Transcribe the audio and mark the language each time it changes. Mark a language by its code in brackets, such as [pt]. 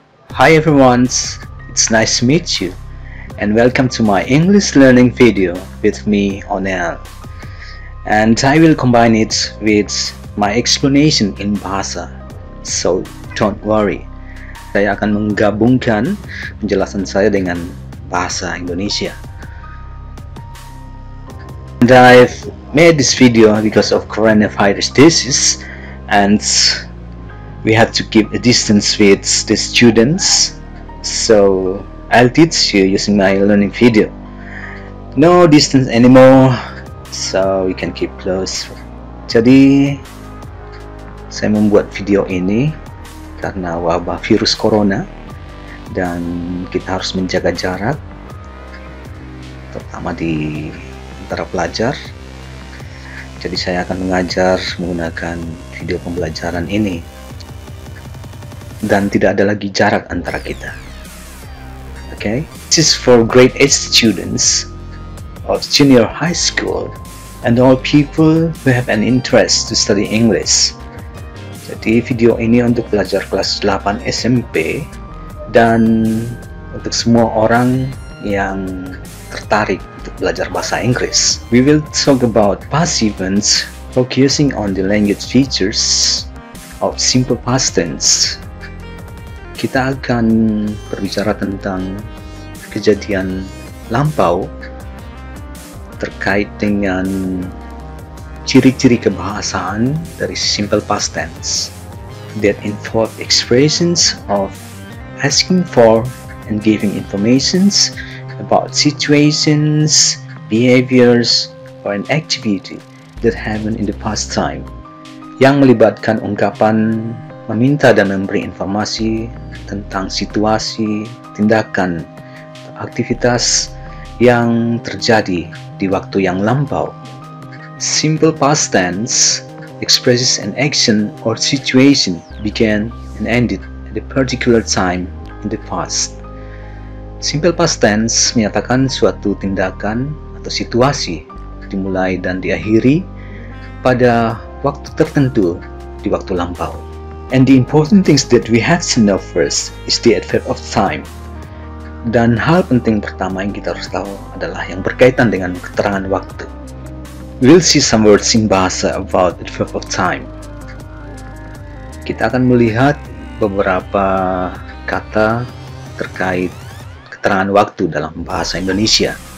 [en] Hi everyone, it's nice to meet you, and welcome to my English learning video with me, Onel. And I will combine it with my explanation in Bahasa, so don't worry. [id] Saya akan menggabungkan penjelasan saya dengan Bahasa Indonesia. [en] And I've made this video because of coronavirus disease, and we have to keep a distance with the students, so I'll teach you using my learning video. No distance anymore, so we can keep close. [id] Jadi, saya membuat video ini karena wabah virus corona dan kita harus menjaga jarak, terutama di antara pelajar. Jadi saya akan mengajar menggunakan video pembelajaran ini. Dan tidak ada lagi jarak antara kita. [en] Okay, this is for grade 8 students of junior high school and all people who have an interest to study English. [id] Jadi video ini untuk pelajar kelas 8 SMP dan untuk semua orang yang tertarik untuk belajar bahasa Inggris. [en] We will talk about past events focusing on the language features of simple past tense. [id] Kita akan berbicara tentang kejadian lampau terkait dengan ciri-ciri kebahasaan dari simple past tense that involve expressions of asking for and giving informations about situations, behaviors, or an activity that happened in the past time, yang melibatkan ungkapan meminta dan memberi informasi tentang situasi, tindakan, aktivitas yang terjadi di waktu yang lampau. [en] Simple past tense expresses an action or situation began and ended at a particular time in the past. [id] Simple past tense menyatakan suatu tindakan atau situasi dimulai dan diakhiri pada waktu tertentu di waktu lampau. [en] And the important things that we have to know first is the adverb of time. [id] Dan hal penting pertama yang kita harus tahu adalah yang berkaitan dengan keterangan waktu. [en] We'll see some words in Bahasa about adverb of time. [id] Kita akan melihat beberapa kata terkait keterangan waktu dalam Bahasa Indonesia.